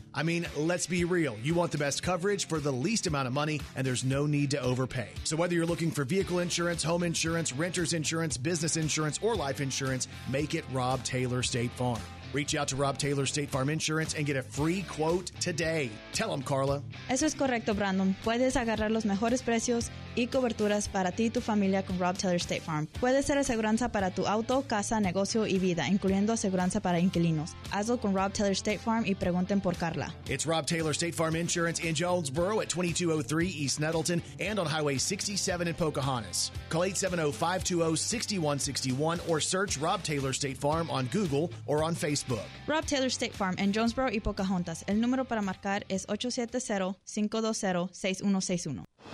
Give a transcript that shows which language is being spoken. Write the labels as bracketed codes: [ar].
[en] I mean, let's be real. You want the best coverage for the least amount of money, and there's no need to overpay. So whether you're looking for vehicle insurance, home insurance, renter's insurance, business insurance, or life insurance, make it Rob Taylor State Farm. Reach out to Rob Taylor State Farm Insurance and get a free quote today. Tell them, Carla. [es] Eso es correcto, Brandon. Puedes agarrar los mejores precios y coberturas para ti y tu familia con Rob Taylor State Farm. Puedes ser aseguranza para tu auto, casa, negocio y vida, incluyendo aseguranza para inquilinos. Hazlo con Rob Taylor State Farm y pregunten por Carla. [en] It's Rob Taylor State Farm Insurance in Jonesboro at 2203 East Nettleton and on Highway 67 in Pocahontas. Call 870-520-6161 or search Rob Taylor State Farm on Google or on Facebook. [es] Rob Taylor State Farm in Jonesboro y Pocahontas. El número para marcar es 870-520-6161.